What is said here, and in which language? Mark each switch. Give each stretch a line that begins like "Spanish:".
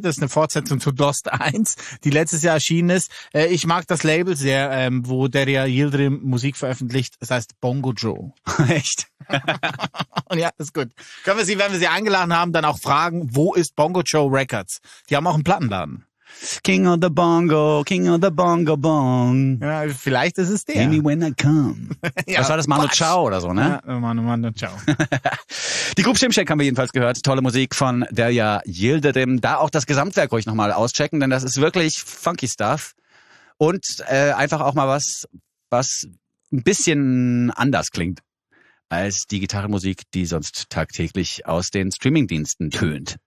German: Das ist eine Fortsetzung zu Dost 1, die letztes Jahr erschienen ist. Ich mag das Label sehr, wo Derya Yildirim Musik veröffentlicht. Das heißt Bongo Joe. Echt? Und ja, ist gut. Können wir sie, wenn wir sie eingeladen haben, dann auch fragen, wo ist Bongo Joe Records? Die haben auch einen Plattenladen.
English: King of the Bongo, King of the Bongo Bong.
German: Ja, vielleicht ist es der.
English: Any when I come.
German: Ja, das war das Manu Chao oder so, ne? Ja, Manu Chao. Die Group Shimshack haben wir jedenfalls gehört. Tolle Musik von Derya Yildirim. Da auch das Gesamtwerk ruhig nochmal auschecken, denn das ist wirklich
English: funky stuff.
German: Und einfach auch mal was ein bisschen anders klingt als die Gitarrenmusik, die sonst tagtäglich aus den Streamingdiensten tönt.